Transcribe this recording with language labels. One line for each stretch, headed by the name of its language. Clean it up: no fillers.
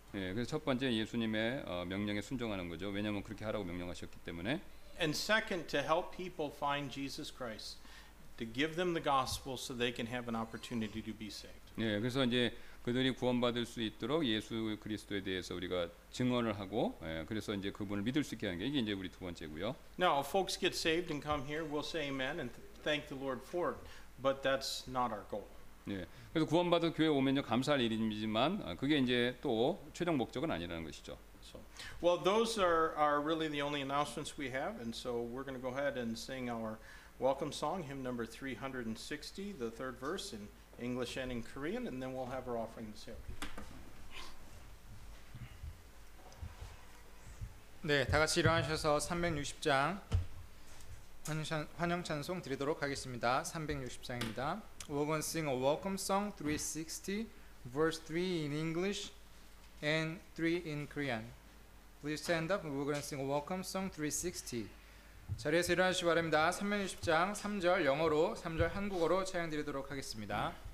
Korean: 예, 그래서 첫 번째 예수님의 명령에 순종하는 거죠. 왜냐하면 그렇게 하라고 명령하셨기 때문에.
English: And second, to help people find Jesus Christ, to give them the gospel so they can have an opportunity to be saved.
Korean: 네, 그래서 이제 그들이 구원받을 수 있도록 예수 그리스도에 대해서 우리가 증언을 하고, 예, 그래서 이제 그분을 믿을 수 있게 하는 게 이게 이제 우리 두 번째고요.
English: Now, if folks get saved and come here, we'll say amen and thank the Lord for it, but that's not our goal.
Korean: 네, 그래서 구원받은 교회 오면요 감사할 일이지만 그게 이제 또 최종 목적은 아니라는 것이죠.
English: Well, those are really the only announcements we have, and so we're going to go ahead and sing our welcome song, hymn number 360, the third verse in English and in Korean, and then we'll have our offering this evening.
Korean: 네, 다 같이 일어나셔서 360장 환영 찬송 드리도록 하겠습니다. 360장입니다.
English: We're going to sing a welcome song, 360, verse 3 in English and 3 in Korean. Please stand up. We're going to sing a welcome song 360.
Korean: 자리에서 일어나시기 바랍니다. 360장 3절 영어로, 3절 한국어로 찬양드리도록 하겠습니다.